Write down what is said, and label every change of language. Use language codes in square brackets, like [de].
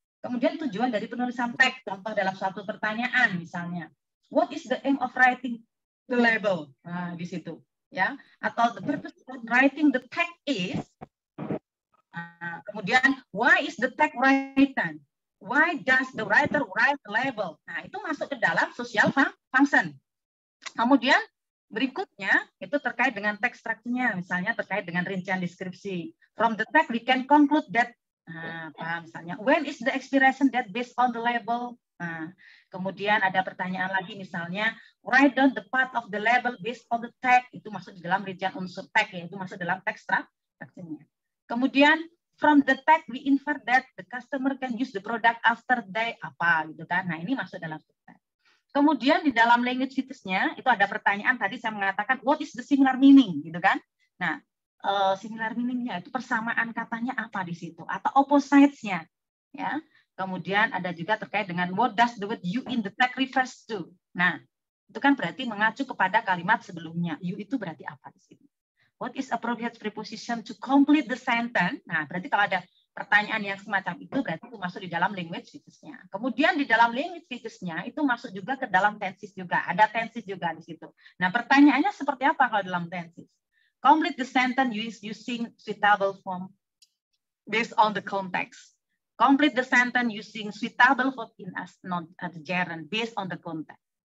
[id] Kemudian tujuan dari penulisan teks, contoh dalam suatu pertanyaan misalnya [en] what is the aim of writing the label, [id] nah di situ ya, atau [en] the purpose of writing the text is, [id] kemudian [en] why is the text written, why does the writer write the label? [id] Nah, itu masuk ke dalam social function. Kemudian berikutnya itu terkait dengan text structure-nya, misalnya terkait dengan rincian deskripsi. [en] From the text we can conclude that [id] misalnya [en] when is the expiration date based on the label? [id] Kemudian ada pertanyaan lagi misalnya [en] write down the part of the label based on the text, [id] itu masuk di dalam rincian unsur text ya, itu masuk dalam text structure-nya. Kemudian [en] from the text we infer that the customer can use the product after they [id] apa gitu kan. Nah, ini masuk dalam text. Kemudian di dalam language features-nya itu ada pertanyaan tadi saya mengatakan [en] what is the similar meaning [id] gitu kan. Nah, similar meaning-nya itu persamaan katanya apa di situ atau opposites-nya ya. Kemudian ada juga terkait dengan [en] what does the word you in the text refers to. [id] Nah, itu kan berarti mengacu kepada kalimat sebelumnya. You itu berarti apa di sini? [en] What is appropriate preposition to complete the sentence? [id] Nah, berarti kalau ada pertanyaan yang semacam itu, berarti itu masuk di dalam language features-nya. Kemudian di dalam language features-nya, itu masuk juga ke dalam tenses juga. Ada tenses juga di situ. Nah, pertanyaannya seperti apa kalau dalam tenses? [en] Complete the sentence using suitable form based on the context. Complete the sentence using suitable form in as non-gerund based on the context.